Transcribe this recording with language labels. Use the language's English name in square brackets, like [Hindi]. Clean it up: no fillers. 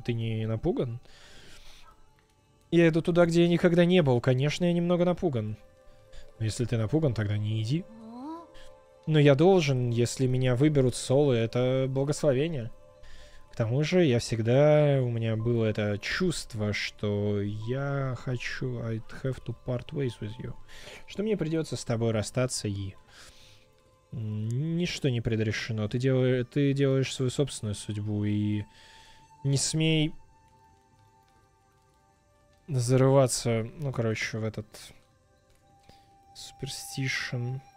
[Russian] Ты не напуган? Я иду туда, где я никогда не был. Конечно, я немного напуган. Но если ты напуган, тогда не иди. Но я должен, если меня выберут солы, это благословение. К тому же, я всегда... У меня было это чувство, что я хочу... [English] I'd have to part ways with you. [Russian] Что мне придется с тобой расстаться и... Ничто не предрешено. Ты делаешь свою собственную судьбу, и не смей зарываться, ну, короче, в этот суперстишн.